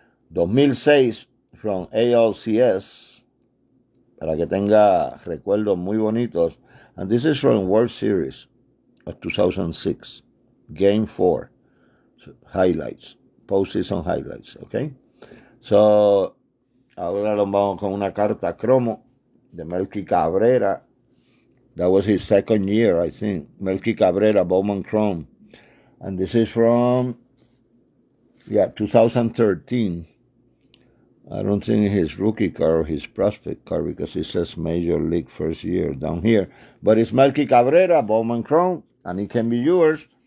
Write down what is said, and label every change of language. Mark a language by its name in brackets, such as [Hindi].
[English] 2006 from ALCS, [Spanish] para que tenga recuerdos muy bonitos. [English] And this is from World Series of 2006, Game 4, highlights, postseason highlights, okay? [Spanish] So, ahora lo vamos con una carta cromo de Melky Cabrera. [English] That was his second year, I think. Melky Cabrera, Bowman Chrome. And this is from, 2013. I don't think his rookie card or his prospect card, because it says Major League first year down here. But it's Melky Cabrera, Bowman Chrome, and it can be yours.